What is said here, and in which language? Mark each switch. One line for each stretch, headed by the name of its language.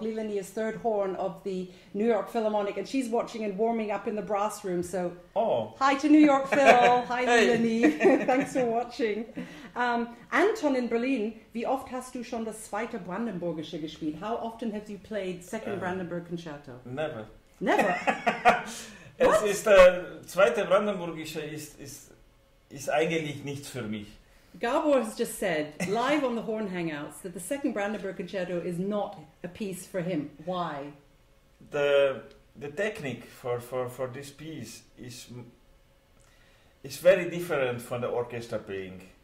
English: Lilani is third horn of the New York Philharmonic, and she's watching and warming up in the brass room. So hi to New York Phil. Hi Lilani. Thanks for watching.
German: Anton in Berlin, wie oft hast du schon das zweite Brandenburgische gespielt?
English: How often have you played second Brandenburg Concerto? Never. What?
German: Es ist zweite Brandenburgische ist eigentlich nichts für mich.
English: Gabor has just said live on the Horn Hangouts that the second Brandenburg Concerto is not a piece for him. Why? The technique for this piece is very different from the orchestra playing.